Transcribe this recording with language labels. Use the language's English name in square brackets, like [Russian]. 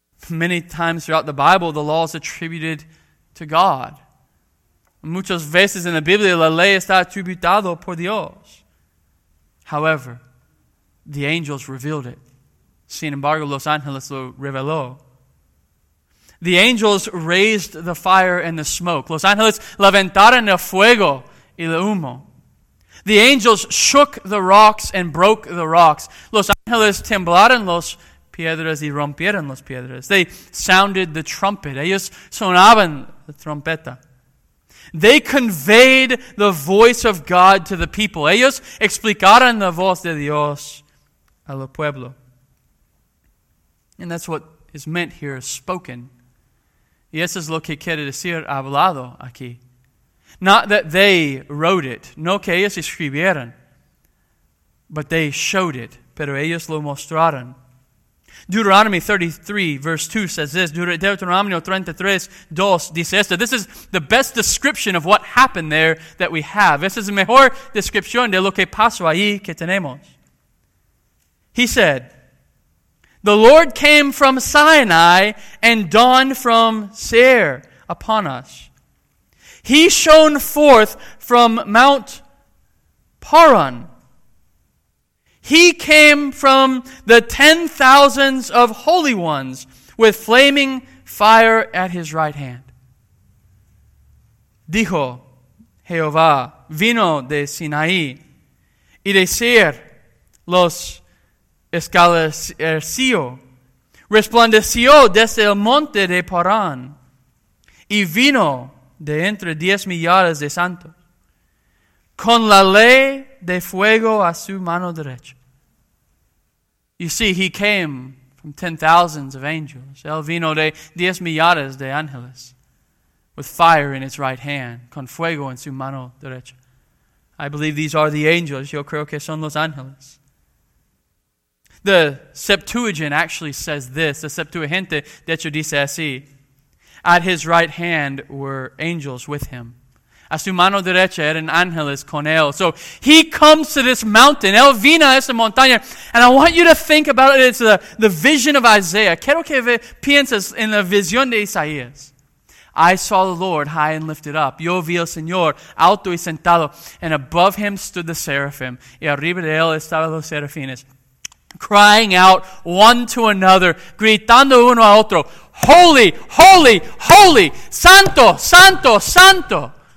[English] Many times throughout the Bible, the law is attributed to God. [Spanish] Muchas veces en la Biblia, la ley está atributado por Dios. [English] However, the angels revealed it. [Spanish] Sin embargo, los ángeles lo reveló. [English] The angels raised the fire and the smoke. [Spanish] Los ángeles levantaron el fuego y el humo. [English] The angels shook the rocks and broke the rocks. [Spanish] Los ángeles temblaron las piedras y rompieron las piedras. [English] They sounded the trumpet. [Spanish] Ellos sonaban la trompeta. [English] They conveyed the voice of God to the people. [Spanish] Ellos explicaron la voz de Dios al pueblo. [English] And that's what is meant here, spoken. [Spanish] Y eso es lo que quiere decir hablado aquí. [English] Not that they wrote it, [Spanish] no que ellos escribieran, [English] but they showed it, [Spanish] pero ellos lo mostraron. [English] Deuteronomy 33, verse 2 says this. [Spanish] Deuteronomy 33, 2 dice esto. [English] This is the best description of what happened there that we have. [Spanish] Esa es la mejor descripción de lo que pasó ahí que tenemos. [English] He said, the Lord came from Sinai and dawned from Seir upon us. He shone forth from Mount Paran. He came from the 10,000s of holy ones with flaming fire at his right hand. [Spanish] Dijo Jehová, vino de Sinai y de Seir los escaleció, resplandeció desde el monte de Paran, y vino de entre 10 millares de santos, con la ley de fuego a su mano derecha. [English] You see, he came from 10,000s of angels. [Spanish] Él vino de 10 millares de ángeles, [English] with fire in his right hand, [Spanish] con fuego en su mano derecha. [English] I believe these are the angels. [Spanish] Yo creo que son los ángeles. [English] The Septuagint actually says this. The Septuagint, [Spanish] de hecho, dice así. [English] At his right hand were angels with him. [Spanish] A su mano derecha eran ángeles con él. [English] So he comes to this mountain. [Spanish] Él vino a esta montaña. [English] And I want you to think about it. It's the vision of Isaiah. [Spanish] Quiero que pienses en la visión de Isaías. [English] I saw the Lord high and lifted up. [Spanish] Yo vi al Señor alto y sentado. [English] And above him stood the seraphim. [Spanish] Y arriba de él estaban los serafines. [English] Crying out one to another, [Spanish] gritando uno a otro, [English] holy, holy, holy, [Spanish] santo, santo, santo.